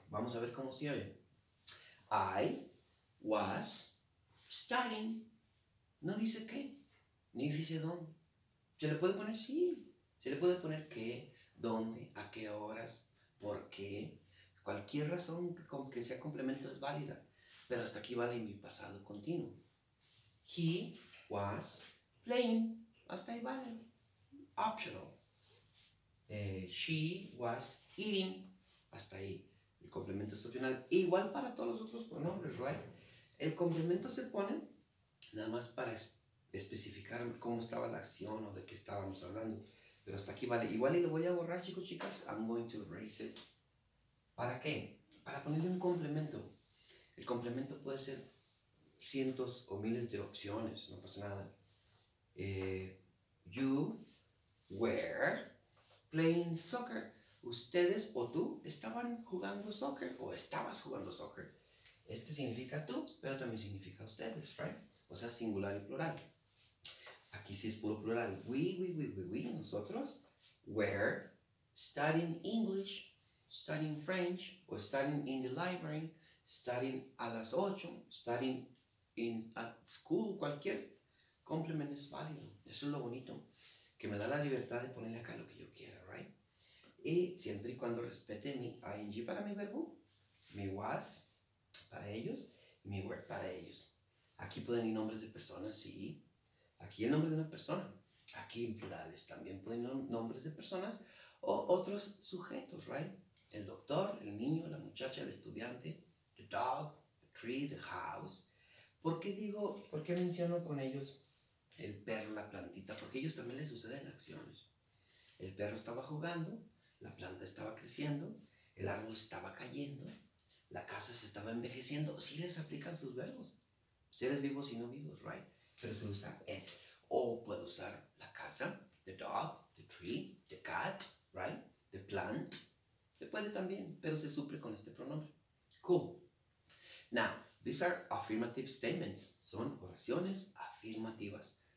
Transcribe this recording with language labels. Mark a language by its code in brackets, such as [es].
[es] Vamos a ver cómo se oye. [en] I was studying. [es] No dice qué, ni dice dónde. Se le puede poner sí. Se le puede poner qué, dónde, a qué horas, por qué. Cualquier razón que sea complemento es válida, pero hasta aquí vale mi pasado continuo. [en] He was playing, [es] hasta ahí vale. [en] Optional. She was eating, [es] hasta ahí. El complemento es opcional. Igual para todos los otros pronombres, [en] right? [es] El complemento se pone nada más para especificar cómo estaba la acción o de qué estábamos hablando. Pero hasta aquí vale. Igual y lo voy a borrar, chicos, chicas. [en] I'm going to erase it. [es] ¿Para qué? Para ponerle un complemento. El complemento puede ser cientos o miles de opciones. No pasa nada. [en] You were playing soccer. [es] Ustedes o tú estaban jugando soccer o estabas jugando soccer. Este significa tú, pero también significa ustedes, [en] right? [es] O sea, singular y plural. Aquí sí es puro plural. [en] We, [es] nosotros [en] were studying English, studying French, or studying in the library, studying [es] a las 8, [en] studying in at school, [es] cualquier complement es válido. Eso es lo bonito. Que me da la libertad de ponerle acá lo que yo quiera, [en] right? [es] Y siempre y cuando respete mi ing para mi verbo, mi was para ellos, y mi were para ellos. Aquí pueden ir nombres de personas, sí. Aquí el nombre de una persona. aquí en plurales también ponen nombres de personas o otros sujetos, [en] right? [es] El doctor, el niño, la muchacha, el estudiante, [en] the dog, the tree, the house. [es] ¿Por qué digo, por qué menciono con ellos el perro, la plantita? Porque a ellos también les suceden acciones. El perro estaba jugando, la planta estaba creciendo, el árbol estaba cayendo, la casa se estaba envejeciendo. Sí les aplican sus verbos. Seres vivos y no vivos, [en] right? [es] Pero se usa [en] it. [es] O puedo usar la casa, [en] the dog, the tree, the cat, right? The plant. [es] Se puede también, pero se suple con este pronombre. [en] Cool. Now, these are affirmative statements. [es] Son oraciones afirmativas.